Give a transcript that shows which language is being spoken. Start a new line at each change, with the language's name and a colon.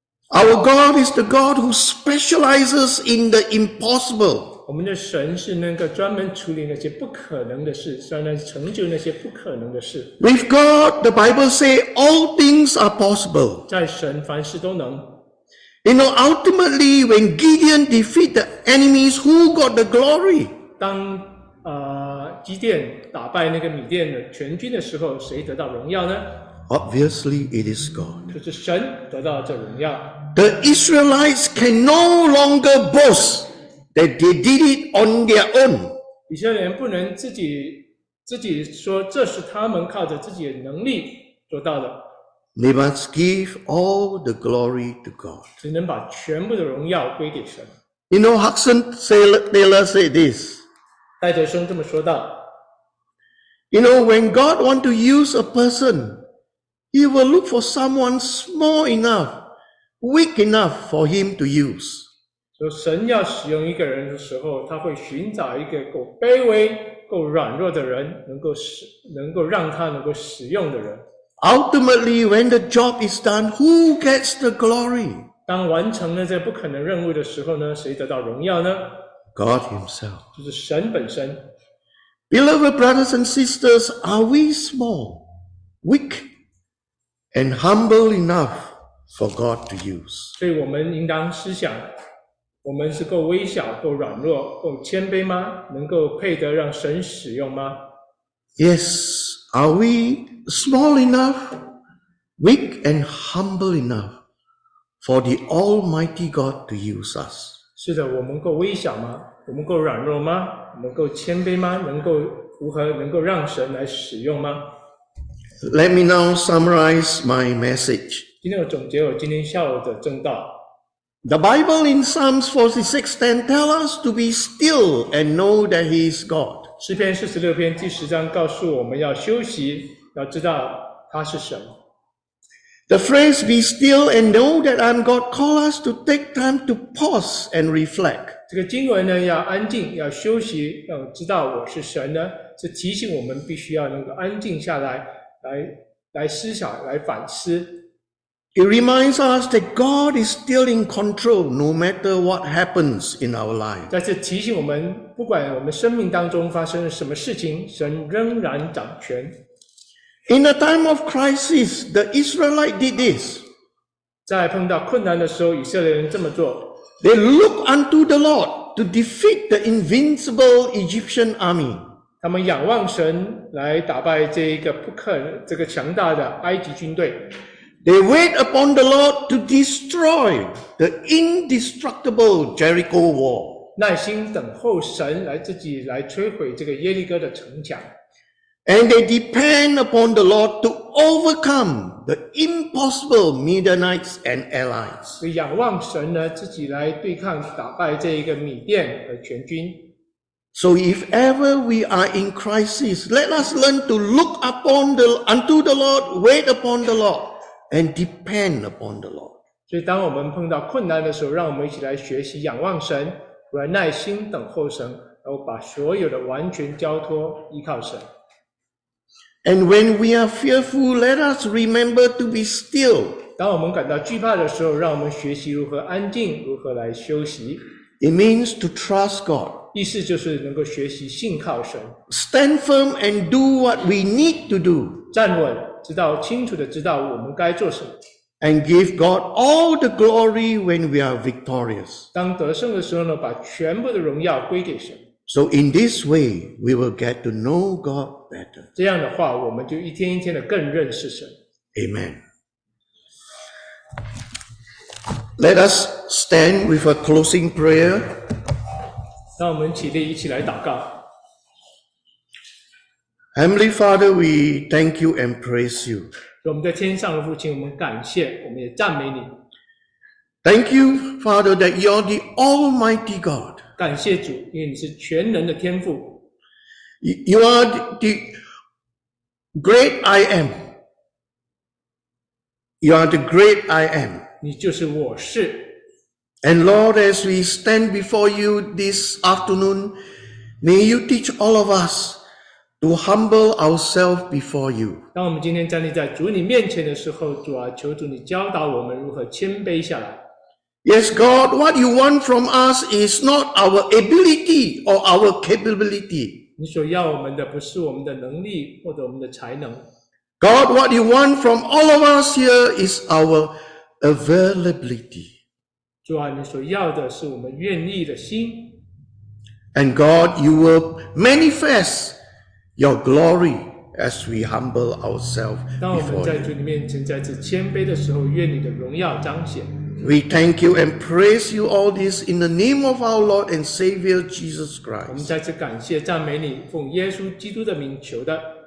English: Our God is the God who specializes in the impossible.
Chinese: 我们的神是那个专门处理那些不可能的事，专门成就那些不可能的事。
English: With God, the Bible says all things are possible.
Chinese: 在神凡事都能。
English: You know, ultimately, when Gideon defeated the enemies, who got the glory?
Chinese: 当基甸打败那个米甸的全军的时候，谁得到荣耀呢？
English: Obviously, it is God.
Chinese: 就是神得到这荣耀。
English: The Israelites can no longer boast that they did it on their own.
Chinese: 以色列人不能自己说这是他们靠着自己的能力做到的。
English: They must give all the glory to God.
Chinese: 只能把全部的荣耀归给神。
English: You know, Hudson Taylor said this.
Chinese: 戴德生这么说道。
English: You know, when God want to use a person,He will look for someone small enough, weak enough for him to use.
Chinese: 所以神要使用一个人的时候，他会寻找一个够卑微、够软弱的人，能够让他使用的人。
English: Ultimately, when the job is done, who gets the glory?
Chinese: 当完成了这不可能任务的时候呢，谁得到荣耀呢？
English: God Himself.
Chinese: 就是神本身。
English: Beloved brothers and sisters, are we small, weak? And humble enough for God to use.
Chinese: 所以我们应当思想，我们是够微小、够软弱、够谦卑吗？能够配得让神使用吗？
English: Yes, are we small enough, weak and humble enough for the Almighty God to use us?
Chinese: 是的，我们够微小吗？我们够软弱吗？我们够谦卑吗？能够让神来使用吗？
English: Let me now summarize my message.
Chinese: 今天我总结我今天下午的正道。
English: The Bible in Psalms 46:10 tell us to be still and know that He is God.
Chinese: 诗篇46篇第10章告诉我们要休息，要知道他是神。
English: The phrase be still and know that I'm God call us to take time to pause and reflect.
Chinese: 这个经文呢要安静，要休息，要知道我是神呢，是提醒我们必须要能够安静下来。来思想，来反思。
English: It reminds us that God is still in control, no matter what happens in our life.
Chinese: 再次提醒我们，不管我们生命当中发生了什么事情，神仍然掌权。
English: In a time of crisis, the Israelites did this.
Chinese: 在碰到困难的时候，以色列人这么做。
English: They look unto the Lord to defeat the invincible Egyptian army.
Chinese: 他们仰望神来打败这个强大的埃及军队。
English: They wait upon the Lord to destroy the indestructible Jericho wall.
Chinese: 耐心等候神来自己来摧毁这个耶利哥的城墙。
English: And they depend upon the Lord to overcome the impossible Midianites and allies.
Chinese: 所以仰望神呢，自己来对抗打败这一个米甸和全军。
English: So if ever we are in crisis, let us learn to look unto the Lord, wait upon the Lord, and depend upon the Lord.
Chinese: 所以当我们碰到困难的时候，让我们一起来学习仰望神，来耐心等候神，然后把所有的完全交托依靠神。
English: And when we are fearful, let us remember to be still.
Chinese: 当我们感到惧怕的时候，让我们学习如何安静，如何来休息。
English: It means to trust God.
Chinese: 意思就是能够学习信靠神。
English: Stand firm and do what we need to do.
Chinese: 站稳，知道清楚的知道我们该做什么。
English: And give God all the glory when we are victorious.
Chinese: 当得胜的时候呢，把全部的荣耀归给神。
English: So in this way, we will get to know God better.
Chinese: 这样的话，我们就一天一天的更认识神。
English: Amen. Let us stand with a closing prayer.
Chinese: 让我们起立一起来祷告。
English: Heavenly Father, we thank you and praise you.
Chinese: 我们在天上的父亲，我们感谢，我们也赞美你。
English: Thank you, Father, that you are the Almighty God.
Chinese: 感谢主，因为你是全能的天父。
English: You are the great I am. You are the great I am.
Chinese: 你就是我是。
English: And Lord, as we stand before you this afternoon, may you teach all of us to humble ourselves before you.
Chinese: 当我们今天站立在主你面前的时候，主啊，求主你教导我们如何谦卑下来。
English: Yes, God, what you want from us is not our ability or our capability.
Chinese: 你所要我们的不是我们的能力或者我们的才能。
English: God, what you want from all of us here is our availability.
Chinese: 主啊，你所要的是我们愿意的心。
English: And God, you will manifest your glory as we humble ourselves before you.
Chinese: 当我们在主你面前再次谦卑的时候，愿你的荣耀彰显。
English: We thank you and praise you all this in the name of our Lord and Savior Jesus Christ.
Chinese: 我们再次感谢赞美你，奉耶稣基督的名求的。